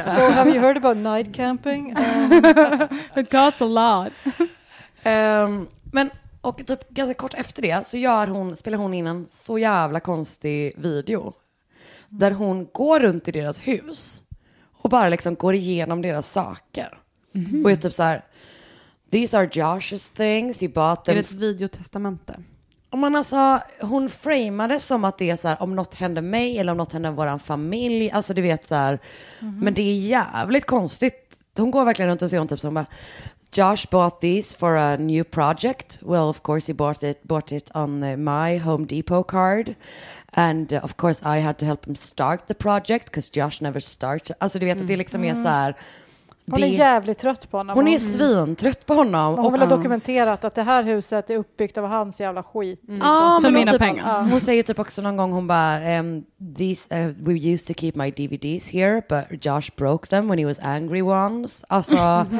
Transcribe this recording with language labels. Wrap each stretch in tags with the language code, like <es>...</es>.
<en>So have you heard about night camping? It costs a lot.</en> <sv>Men... Och typ ganska kort efter det så gör hon, spelar hon in en så jävla konstig video där hon går runt i deras hus och bara liksom går igenom deras saker. Mm-hmm. Och är typ så här,</sv> <en>these are Josh's things, he bought them.</en> <sv>Är det ett videotestamente? Och man alltså, hon framade som att det är så här, om något händer mig eller om något händer vår familj. Alltså du vet så här, men det är jävligt konstigt. hon går verkligen runt och säger hon typ som bara,</sv> <en>Josh bought these for a new project. Well, of course he bought it on my Home Depot card. And of course I had to help him start the project because Josh never started.</en> <sv>Alltså du vet att det liksom är så här. Hon är jävligt trött på honom. Hon är svintrött på honom. Hon vill ha dokumenterat att det här huset är uppbyggt av hans jävla skit. Liksom. För mina pengar. Hon säger typ också någon gång, hon bara,</sv> <en>we used to keep my DVDs here, but Josh broke them when he was angry once.</en> <sv>Alltså,</sv>